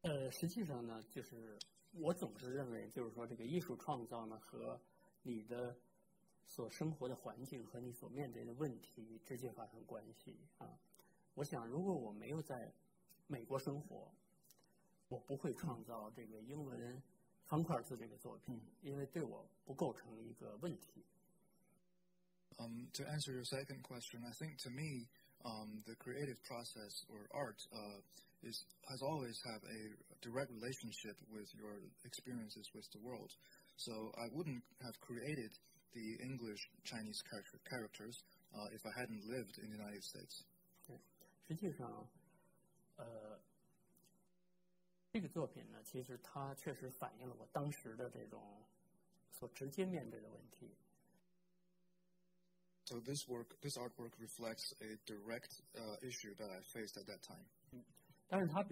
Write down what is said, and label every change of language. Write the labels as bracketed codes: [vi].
[zh] 实际上呢就是我总是认为就是说这个艺术创造呢和你的所生活的环境和你所面对的问题直接发生关系啊我想如果我没有在美国生活我不会创造这个英文方块字这个作品，因为对我不构成一个问题。 [en] To answer your second question, I think to me, the creative process or art has always have a direct relationship with your experiences with the world. So I wouldn't have created the English Chinese characters if I hadn't lived in the United States. [zh] 实际上，这个作品呢，其实它确实反映了我当时的这种所直接面对的问题。 [en] So this work, this artwork reflects a direct issue that I faced at that time.